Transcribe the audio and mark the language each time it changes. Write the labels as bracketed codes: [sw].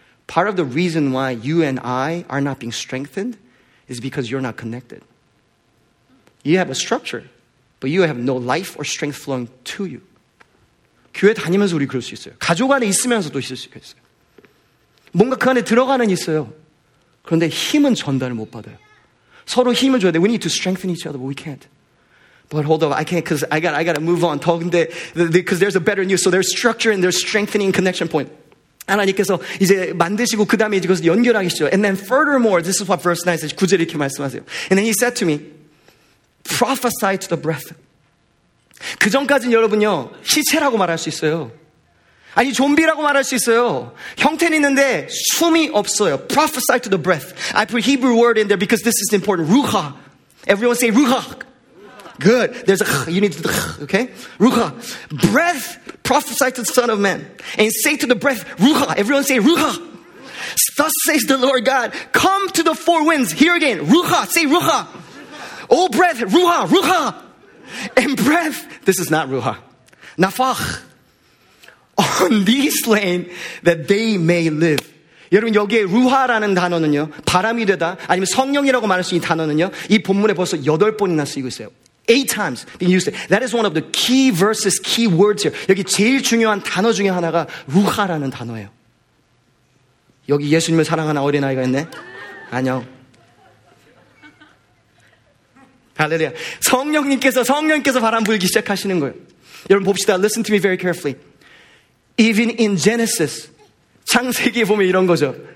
[en] Part of the reason why you and I are not being strengthened is because you're not connected. You have a structure, but you have no life or strength flowing to you. [ko] 교회 다니면서 우리 그럴 수 있어요. 가족 안에 있으면서도 있을 수 있어요. 뭔가 그 안에 들어가는 있어요. 그런데 힘은 전달을 못 받아요. 서로 힘을 줘야 돼. [en] We need to strengthen each other, but we can't. But hold on, I can't because I gotta move on. [ko] 더 근데 [en] because there's a better news. So there's structure and there's strengthening connection point. [ko] 하나님께서 이제 만드시고 그 다음에 이것을 연결하시죠. [en] And then furthermore, this is what verse 9 says. [ko] 구절 이렇게 말씀하세요. [en] And then he said to me, prophesy to the breath. [ko] 그 전까지는 여러분요, 시체라고 말할 수 있어요. 아니, 좀비라고 말할 수 있어요. 형태는 있는데 숨이 없어요. [en] Prophesy to the breath. I put Hebrew word in there because this is important. Ruha. Everyone say Ruha. Good. There's a, you need to, okay? Ruha. Breath, prophesy to the Son of Man. And say to the breath, Ruha. Everyone say Ruha. Thus says the Lord God, come to the four winds. Here again, Ruha. Say Ruha. Oh, breath, Ruha, Ruha. And breath, this is not Ruha. Nafach. On these slain that they may live. [ko] 여러분, 여기에 루하라는 단어는요, 바람이 되다, 아니면 성령이라고 말할 수 있는 단어는요, 이 본문에 벌써 여덟 번이나 쓰이고 있어요. [en] Eight times being used. That is one of the key verses, key words here. [ko] 여기 제일 중요한 단어 중에 하나가 루하라는 단어예요. 여기 예수님을 사랑하는 어린아이가 있네? 안녕. 할렐루야. 성령께서 바람 불기 시작하시는 거예요. 여러분, 봅시다. [en] Listen to me very carefully. Even in Genesis, [ko] 창세기에 보면 이런 거죠.